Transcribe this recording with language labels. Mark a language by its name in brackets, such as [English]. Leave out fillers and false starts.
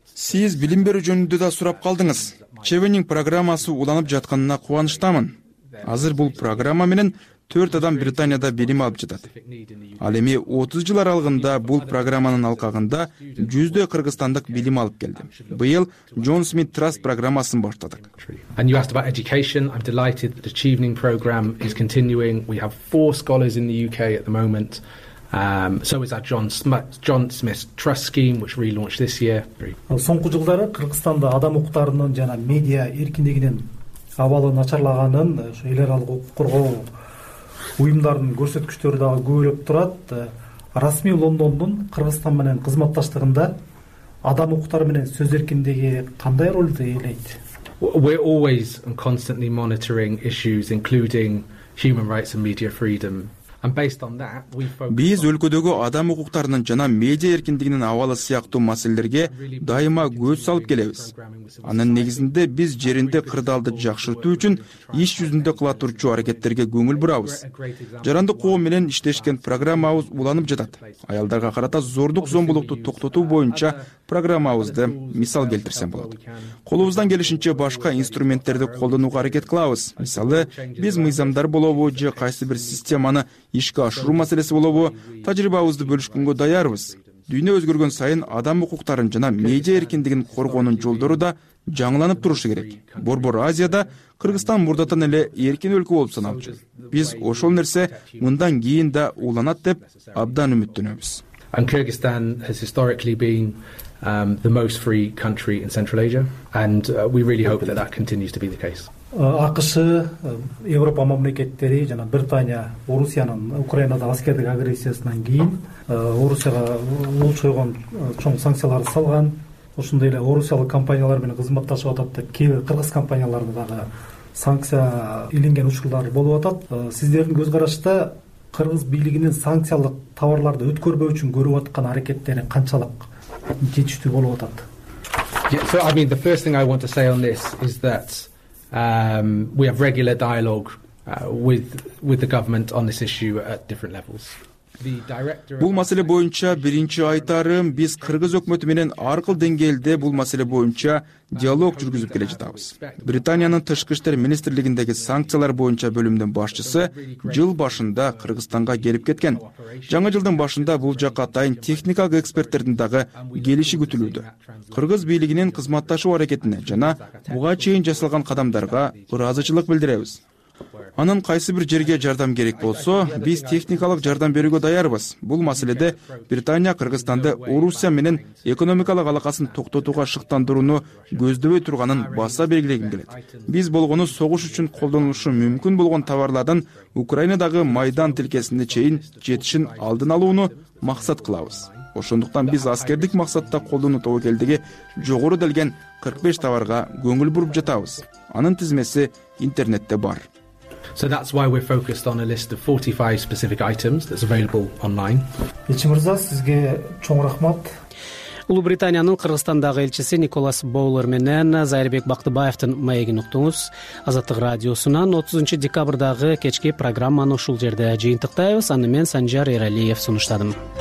[Kyrgyz] Сиз билим берүү жөнүндө да сурап калдыңыз. Чевенинг программасы уланып жатканына кубанычтамын. Азыр бул программа менен 4 адам Британияда билим алып жатат. Ал эми 30 жыл аралыгында бул программанын алкагында 100 кыргызстандык билим алып келди. Быйыл Джон Смит Траст программасын баштадык. [English] And you asked about education. I'm delighted that the Chevening program is continuing. We have 4 scholars in the UK at the moment. So is our John Smith Trust scheme which relaunched this year. [Kyrgyz] Соңку жылдары Кыргызстанда адам укуктарынын жана медиа эркиндигинин абалы начарлаганын ошо эл аралык укук коргоо уюмдарынын көрсөткүчтөрү дагы көбөйүп турат. Расмий Лондондун Кыргызстан менен кызматташтыгында адам укуктары менен сөз эркиндиги кандай ролду ээлейт? [English] We're always and constantly monitoring issues including human rights and media freedom. [Kyrgyz] Биз өлкөдөгү адам укуктарынын жана медиа эркиндигинин абалы сыяктуу маселелерге дайыма көз салып келебиз. Анын негизинде биз жеринде кырдаалды жакшыртуу үчүн иш жүзүндө кыла турчу аракеттерге көңүл бурабыз. Жарандык коом менен иштешкен программабыз уланып жатат. Аялдарга карата зордук зомбулукту токтотуу боюнча программабызды мисал келтирсем болот. Колубуздан келишинче башка инструменттерди колдонууга аракет кылабыз. Мисалы, биз мыйзамдар болобу же кайсы бир системаны ишке ашыруу маселеси болобу, тажрыйбабызды бөлүшкөнгө даярбыз. Дүйнө өзгөргөн сайын адам укуктарын жана медиа эркиндигин коргоонун жолдору да жаңыланып турушу керек. Борбор Азияда Кыргызстан мурдатан эле эркин өлкө болуп саналчу. Биз ошол нерсе мындан кийин да уланат деп абдан үмүттөнөбүз. [English] And Kyrgyzstan has historically been the most free country in Central Asia and we really hope that continues to be the case. [Kyrgyz] АКШ, Европа мамлекеттери жана Британия Орусиянын Украинада аскердик агрессиясынан кийин Орусияга улучойгон чоң санкцияларды салган. Ошондой эле Орусиялык компаниялар менен кызматташып атат деп кээ кыргыз компанияларына дагы санкция илинген учурлар болуп атат. Сиздердин көз карашта кыргыз бийлигинин санкциялык товарларды өткөрбөө үчүн көрүп аткан аракеттери канчалык жетиштүү болуп атат? [English] So I mean the first thing I want to say on this is that we have regular dialogue with the government on this issue at different levels. [Kyrgyz] Бул маселе боюнча биринчи айтарым, биз кыргыз өкмөтү менен ар кыл деңгээлде бул маселе боюнча диалог жүргүзүп келе жатабыз. Британиянын тышкы иштер министрлигиндеги санкциялар боюнча бөлүмдүн башчысы жыл башында Кыргызстанга келип кеткен. Жаңы жылдын башында бул жакка атайын техникалык эксперттердин дагы келиши күтүлүүдө. Кыргыз бийлигинин кызматташуу аракетине жана буга чейин жасалган кадамдарга ыраазычылык билдиребиз. Анын кайсы бир жерге жардам керек болсо, биз техникалык жардам берүүгө даярбыз. Бул маселеде Британия Кыргызстанды Орусия менен экономикалык алакасын токтотууга шыктандырууну көздөбөй турганын баса белгилегим келет. Биз болгону согуш үчүн колдонулушу мүмкүн болгон товарлардын Украинадагы майдан тилкесине чейин жетишин алдын алууну максат кылабыз. Ошондуктан биз аскердик максатта колдонуу тобокелдиги жогору делген 45 товарга көңүл буруп жатабыз. Анын тизмеси интернетте бар. [English] So that's why we're focused on a list of 45 specific items that's available online. [Kyrgyz] Ичмирза, сизге чоң рахмат. Улуубританиянын Кыргызстандагы элчиси Николас Боулер менен Зайырбек Бактыбаевдин маегин уктуңуз. Азаттык радиосунан 30 декабрдагы кечки программаны ушул жерде жыйынтыктайбыз. Аны мен Санжар Эралиев сунуштадым.